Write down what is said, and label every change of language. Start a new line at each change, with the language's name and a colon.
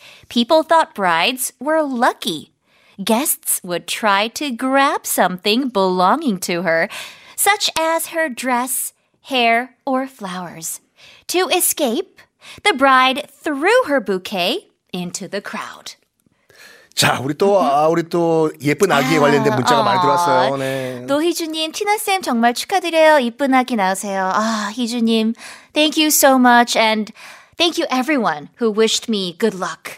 English: People thought brides were lucky. Guests would try to grab something belonging to her, such as her dress, hair, or flowers. To escape, the bride threw her bouquet into the crowd.
Korean: 자, 우리 또, 우리 또 예쁜 아기에 관련된 문자가 많이 들어왔어요. 네. 노희주님, 티나쌤 정말 축하드려요. 예쁜 아기 나오세요. 아, 희주님, thank you so much.
English: And thank you everyone who wished me good luck.